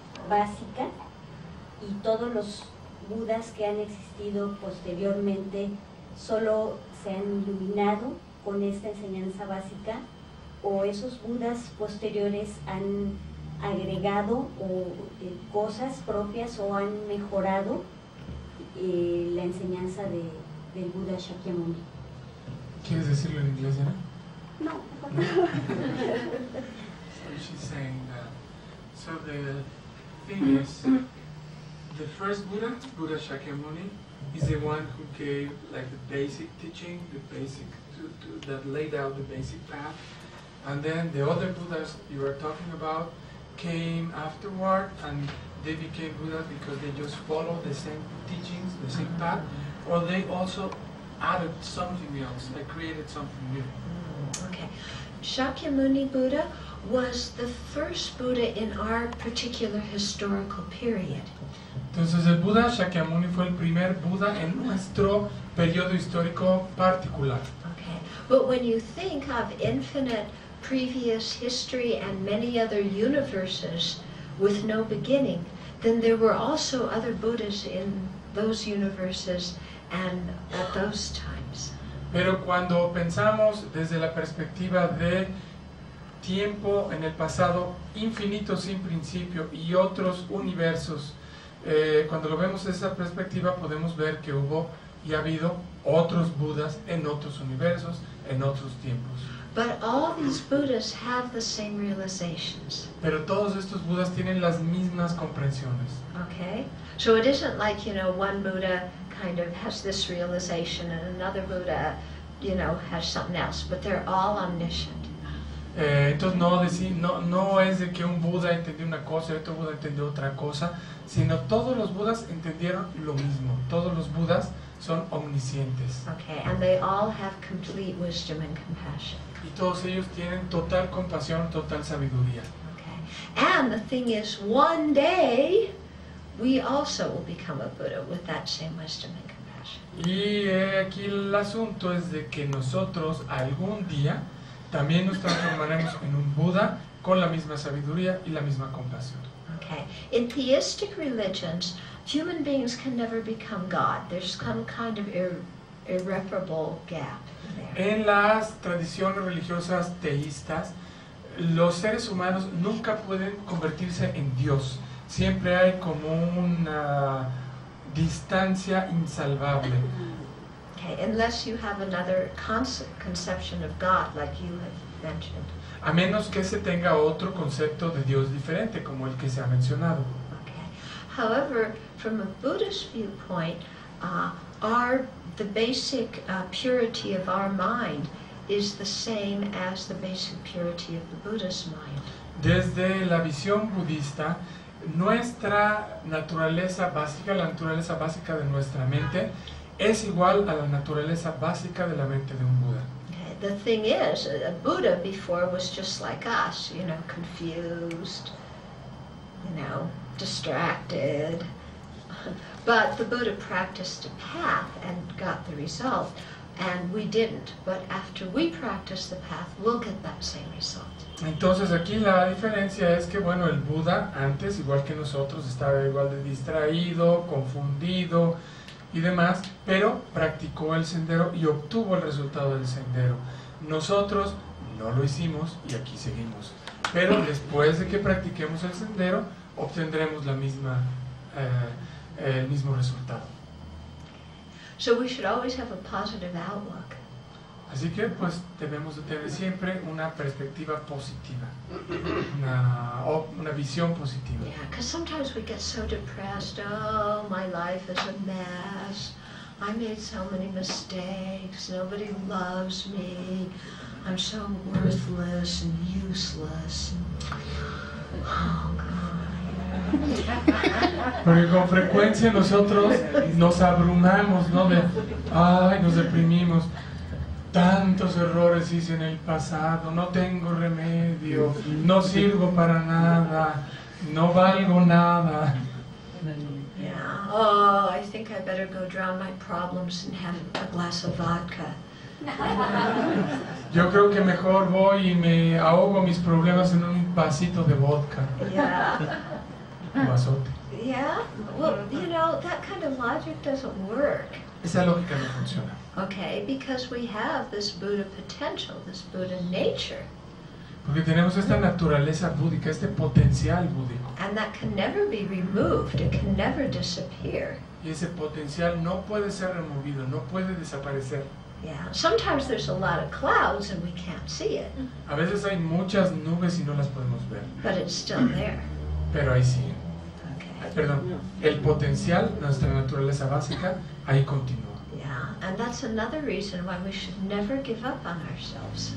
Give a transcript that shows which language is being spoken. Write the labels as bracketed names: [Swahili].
[Spanish] básica y todos los Budas que han existido posteriormente solo se han iluminado con esta enseñanza básica o esos Budas posteriores han agregado cosas propias o han mejorado la enseñanza del Buda Shakyamuni? ¿Quieres decirlo en inglés, Ana? No. [English] So she's saying that. So the thing is, the first Buddha, Buddha Shakyamuni, is the one who gave like the basic teaching, the basic to that laid out the basic path. And then the other Buddhas you are talking about came afterward, and they became Buddha because they just followed the same teachings, the same path, or they also added something else, they created something new. Okay. Shakyamuni Buddha was the first Buddha in our particular historical period. [Spanish] Entonces el Buda Shakyamuni fue el primer Buda en nuestro periodo histórico particular. [English] Okay. But when you think of infinite previous history and many other universes with no beginning, then there were also other Buddhas in those universes and at those times. [Spanish] Pero cuando pensamos desde la perspectiva de tiempo en el pasado infinito sin principio y otros universos, cuando lo vemos desde esa perspectiva podemos ver que hubo y ha habido otros Budas en otros universos, en otros tiempos. [English] But all these Buddhas have the same realizations. [Spanish] Pero todos estos Budas tienen las mismas comprensiones. [English] Okay. So it isn't like, you know, one Buddha kind of has this realization and another Buddha, you know, has something else, but they're all omniscient. [Spanish] Entonces no es de que un Buda entendió una cosa y otro Buda entendió otra cosa, sino todos los Budas entendieron lo mismo. Todos los Budas son omniscientes. [English] Okay, and they all have complete wisdom and compassion. [Spanish] Y todos ellos tienen total compasión, total sabiduría. [English] Okay. And the thing is, one day we also will become a Buddha with that same wisdom and compassion. [Spanish] Y aquí el asunto es de que nosotros algún día también nos transformaremos en un Buda con la misma sabiduría y la misma compasión. [English] Okay. In theistic religions, human beings can never become God. There's some kind of irreparable gap. [Spanish] En las tradiciones religiosas teístas, los seres humanos nunca pueden convertirse en Dios. Siempre hay como una distancia insalvable. [English] Okay, unless you have another conception of God, like you have mentioned. [Spanish] A menos que se tenga otro concepto de Dios diferente, como el que se ha mencionado. [English] Okay. However, from a Buddhist viewpoint, the basic purity of our mind is the same as the basic purity of the Buddha's mind. [Spanish] Desde la visión budista, nuestra naturaleza básica, la naturaleza básica de nuestra mente, es igual a la naturaleza básica de la mente de un Buda. [English] The thing is, a Buddha before was just like us, you know, confused, you know, distracted. But the Buddha practiced a path and got the result, and we didn't. But after we practice the path, we'll get that same result. [Spanish] Entonces aquí la diferencia es que, bueno, el Buda antes, igual que nosotros, estaba igual de distraído, confundido y demás, pero practicó el sendero y obtuvo el resultado del sendero. Nosotros no lo hicimos y aquí seguimos. Pero después de que practiquemos el sendero, obtendremos la misma el mismo resultado. [English] So we should always have a positive outlook. [Spanish] Así que pues debemos de tener siempre una perspectiva positiva, una visión positiva. [English] Yeah, because sometimes we get so depressed. Oh, my life is a mess. I made so many mistakes. Nobody loves me. I'm so worthless and useless. Oh God. [Spanish] Porque con frecuencia nosotros nos abrumamos, ¿no? Nos deprimimos. Tantos errores hice en el pasado, no tengo remedio, no sirvo para nada, no valgo nada. [English] Yeah. Oh, I think I better go drown my problems and have a glass of vodka. [Spanish] Yo creo que mejor voy y me ahogo mis problemas en un vasito de vodka. [English] Yeah. [Spanish] Un vasote. [English] Yeah, well, you know, that kind of logic doesn't work. [Spanish] Esa lógica no funciona. [English] Okay, because we have this Buddha potential, this Buddha nature. [Spanish] Porque tenemos esta naturaleza búdica, este potencial búdico. [English] And that can never be removed, it can never disappear. [Spanish] Y ese potencial no puede ser removido, no puede desaparecer. [English] Yeah, sometimes there's a lot of clouds and we can't see it. [Spanish] A veces hay muchas nubes y no las podemos ver. [English] But it's still there. [Spanish] Pero ahí sigue. [English] Okay. [Spanish] perdón, el potencial, nuestra naturaleza básica, ahí continúa. [English] And that's another reason why we should never give up on ourselves.